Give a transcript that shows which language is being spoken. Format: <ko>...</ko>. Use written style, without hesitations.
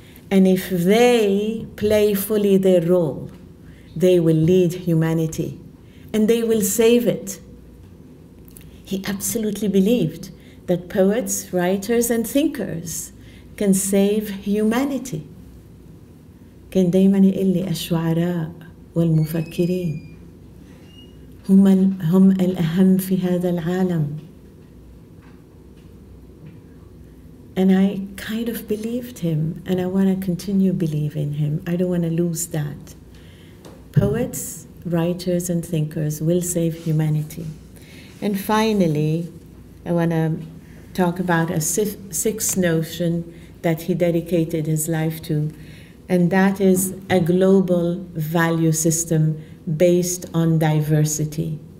<en>And if they play fully their role, they will lead humanity and they will save it. He absolutely believed that poets, writers, and thinkers can save humanity.</en> <ar>كان دايما يقول لي الشعراء والمفكرين هم الأهم في هذا العالم.</ar> <en>And I kind of believed him, and I want to continue believing him. I don't want to lose that. Poets, writers, and thinkers will save humanity. And finally, I want to talk about a sixth notion that he dedicated his life to, and that is a global value system based on diversity.</en>